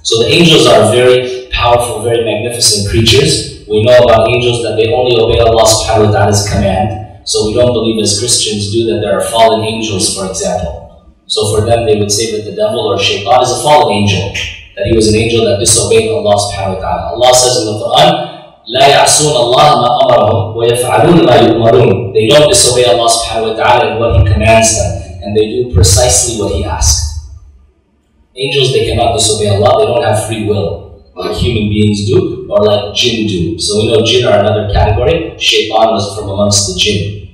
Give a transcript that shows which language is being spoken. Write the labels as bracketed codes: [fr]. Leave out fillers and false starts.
[en] So the angels are very powerful, very magnificent creatures. We know about angels that they only obey Allah subhanahu wa ta'ala's command. So we don't believe as Christians do that there are fallen angels, for example. So for them, they would say that the devil or shaitan is a fallen angel. That he was an angel that disobeyed Allah subhanahu wa ta'ala. Allah says in the Quran, [ar] لَا يَعْصُونَ اللَّهَ مَا أَمَرَهُمْ وَيَفْعَلُونَ مَا يُؤْمَرُونَ. [en] They don't disobey Allah subhanahu wa ta'ala and what he commands them. And they do precisely what he asks. Angels, they cannot disobey Allah. They don't have free will like human beings do, or like jinn do. So we know jinn are another category. Shaitan was from amongst the jinn.